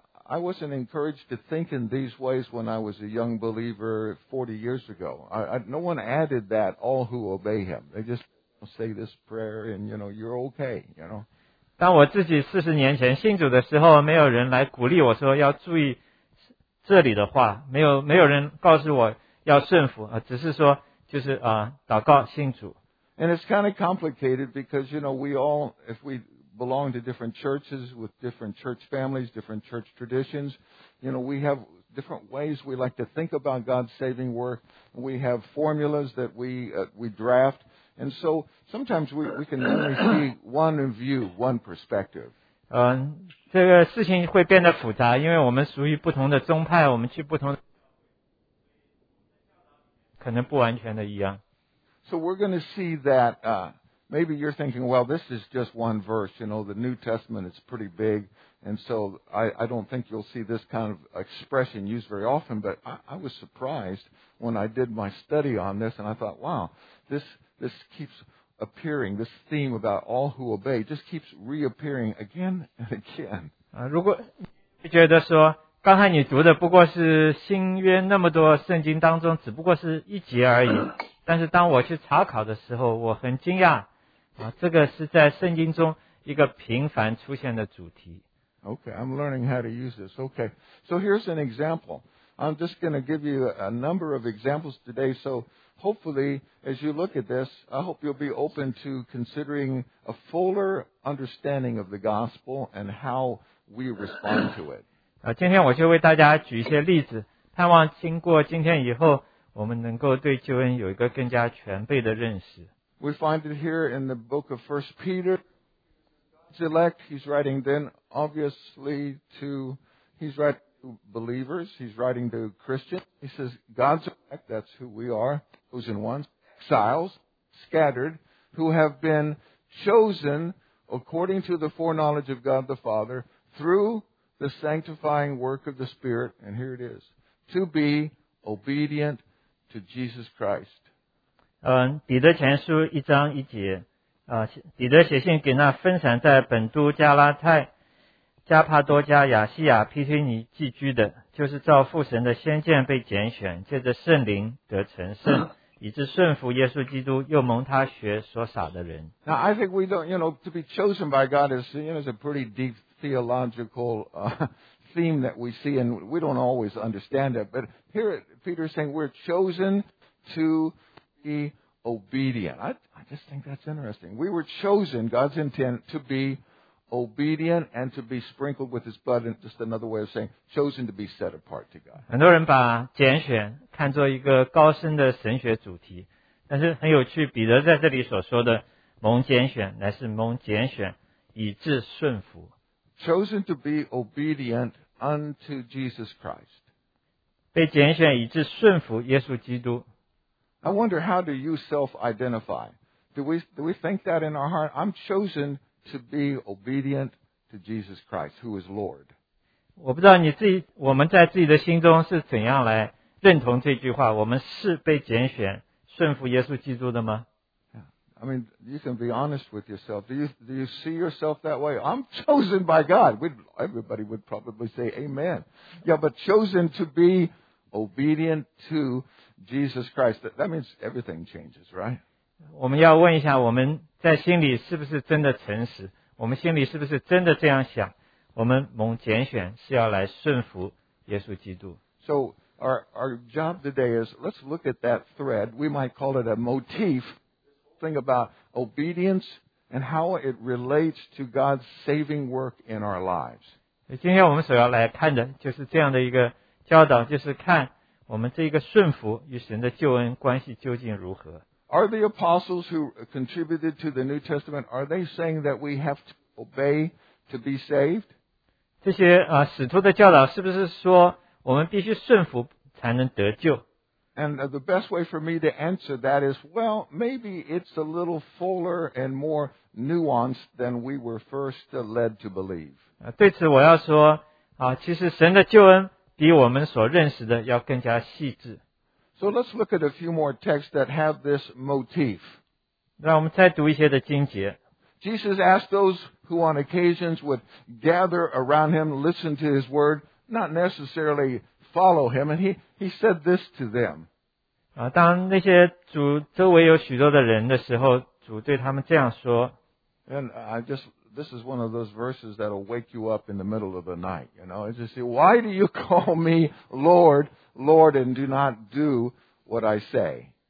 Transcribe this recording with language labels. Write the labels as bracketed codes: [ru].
[en] I wasn't encouraged to think in these ways when I was a young believer 40 years ago. No one added that, all who obey him. They just say this prayer and, you know, you're okay, you know. [zh] 当我自己40年前信主的时候，没有人来鼓励我说要注意这里的话，没有人告诉我要顺服，只是说就是祷告信主。 [en] And it's kind of complicated because, you know, we all, if we belong to different churches with different church families, different church traditions, you know, we have different ways we like to think about God's saving work. We have formulas that we draft. And so sometimes we can only see one view, one perspective. [zh] 这个事情会变得复杂，因为我们属于不同的宗派，我们去不同的，可能不完全的一样。 [en] So we're going to see that, maybe you're thinking, well, this is just one verse, you know, the New Testament is pretty big, and so I don't think you'll see this kind of expression used very often, but I was surprised when I did my study on this, and I thought, wow, this keeps appearing, this theme about all who obey just keeps reappearing again and again. [zh] 如果你觉得说刚才你读的不过是新约那么多圣经当中只不过是一节而已，但是当我去查考的时候，我很惊讶，这个是在圣经中一个频繁出现的主题。 [en] Okay, I'm learning how to use this. Okay, so here's an example. I'm just going to give you a number of examples today, soHopefully, as you look at this, I hope you'll be open to considering a fuller understanding of the gospel and how we respond to it. [zh] 今天我就为大家举一些例子，盼望经过今天以后，我们能够对救恩有一个更加全备的认识。 [en] We find it here in the book of 1 Peter. God's elect, he's writing then, obviously, to believers, he's writing to Christians. He says, God's elect, that's who we are, chosen ones, exiles, scattered, who have been chosen according to the foreknowledge of God the Father through the sanctifying work of the Spirit, and here it is, to be obedient to Jesus Christ. [zh] 彼得前书一章一节，彼得写信给那分散在本都、加拉太、加帕多加、亚西亚、皮推尼寄居的，就是照父神的先见被拣选，借着圣灵得成圣，以致顺服耶稣基督，又蒙他血所洒的人。 [en] Now I think we don't, you know, to be chosen by God is, you know, is a pretty deep theological theme that we see, and we don't always understand it. But here Peter is saying we're chosen to be obedient. I just think that's interesting. We were chosen, God's intent, to be obedient and to be sprinkled with His blood. And just another way of saying chosen to be set apart to God. [zh] 很多人把拣选看作一个高深的神学主题，但是很有趣，彼得在这里所说的蒙拣选，乃是蒙拣选以致顺服。 [en] Chosen to be obedient unto Jesus Christ. [zh] 被拣选以致顺服耶稣基督。 [en] I wonder how do you self-identify? Do we think that in our heart? I'm chosen to be obedient to Jesus Christ, who is Lord. [zh] 我不知道你自己，我们在自己的心中是怎样来认同这句话，我们是被拣选顺服耶稣基督的吗？ [en] I mean, you can be honest with yourself. Do you see yourself that way? I'm chosen by God. Everybody would probably say amen. Yeah, but chosen to be obedient to Jesus Christ. That means everything changes, right? [zh] 我们要问一下，我们在心里是不是真的诚实？我们心里是不是真的这样想？我们蒙拣选是要来顺服耶稣基督。 [en] So our job today is let's look at that thread. We might call it a motif. Think about obedience and how it relates to God's saving work in our lives. [zh] 今天我们所要来看的就是这样的一个教导，就是看我们这个顺服与神的救恩关系究竟如何。 [en] Are the apostles who contributed to the New Testament, are they saying that we have to obey to be saved? [zh] 这些使徒的教导是不是说我们必须顺服才能得救？ [en] And the best way for me to answer that is, well, maybe it's a little fuller and more nuanced than we were first led to believe. [zh] 对此我要说其实神的救恩比我们所认识的要更加细致。 [en] So let's look at a few more texts that have this motif. [zh] 让我们再读一些的经节。 [en] Jesus asked those who on occasions would gather around him, listen to his word, not necessarily follow him, and he said this to them. [zh] 当那些主周围有许多的人的时候，主对他们这样说。 [en] And I just, this is one of those verses that will wake you up in the middle of the night, you know. It's just, why do you call me Lord? Lord, and do not do what I say.